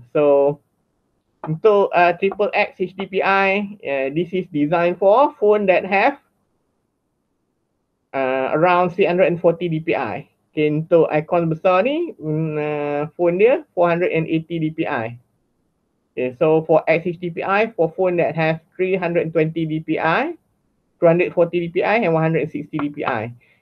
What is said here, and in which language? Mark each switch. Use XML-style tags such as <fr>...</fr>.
<en>So,</en> <ms>untuk</ms> <en>triple X HDPI, this is designed for phone that have around 340 DPI.</en> <ms>Okay, untuk icon besar ni, phone dia 480 DPI.</ms> <en>Okay, so for XHDPI, for phone that have 320 DPI, 240 DPI and 160 DPI.</en>